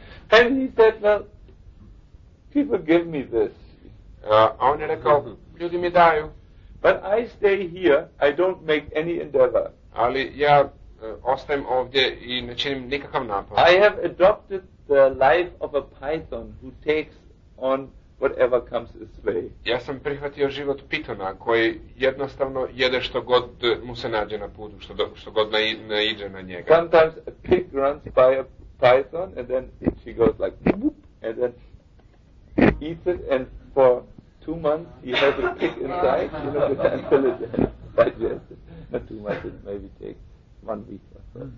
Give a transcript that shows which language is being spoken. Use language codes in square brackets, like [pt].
[en] And he said, well, people give me this. [hr] A on je rekao, ljudi mi daju. [en] But I stay here, I don't make any endeavor. [hr] Ali ja ostajem ovdje i ne činim nikakav napor. [en] I have adopted the life of a python who takes on whatever comes its way. [hr] Ja sam prihvatio život pitona koji jednostavno jede što god mu se nađe na putu, što god naiđe na njega. [en] Sometimes a pig runs by a python and then she goes like boop and then eats it and for 2 months he has a pig inside, you know, until it digests it. Not 2 months, it maybe takes 1 week or so.